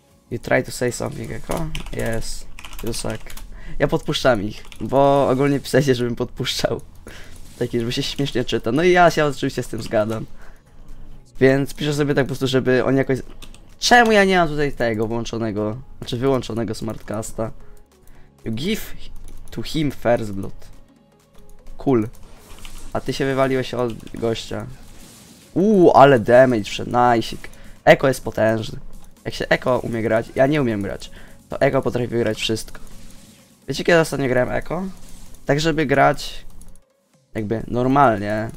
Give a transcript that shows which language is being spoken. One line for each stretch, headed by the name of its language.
English: You try to say something, jako? Yes, you suck.
Polish: Ja podpuszczam ich, bo ogólnie pisaliście, żebym podpuszczał. Taki, żeby się śmiesznie czyta. No i ja się oczywiście z tym zgadzam. Więc piszę sobie tak po prostu, żeby oni jakoś... Czemu ja nie mam tutaj tego włączonego, znaczy wyłączonego smartcasta?
English: You give to him first blood. Cool.
Polish: A ty się wywaliłeś od gościa. Uuu, ale damage, nice. Echo jest potężny. Jak się Echo umie grać, ja nie umiem grać. To Echo potrafi wygrać wszystko. Wiecie, kiedy ostatnio grałem Echo? Tak, żeby grać jakby normalnie.